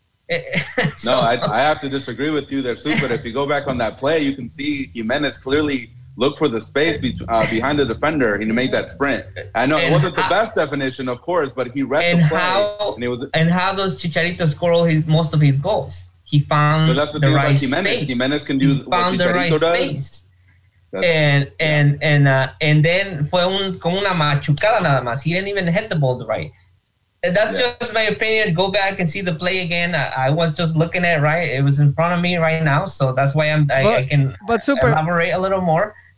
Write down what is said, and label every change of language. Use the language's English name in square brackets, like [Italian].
[English] I have to disagree with you there, Super. If you go back on that play, you can see Jimenez clearly looked for the space behind the defender, and he made that sprint. I know it wasn't the best definition, of course, but he read the play. How does Chicharito score all most of his goals? He found the right space. That's the thing about Jimenez. Space. Jimenez can do what Chicharito right does. Space. And then [Spanish] fue un con una machucada nada más. [English] He didn't even hit the ball right. That's just my opinion. Go back and see the play again. I was just looking at it right. It was in front of me right now, so that's why I can elaborate a little more.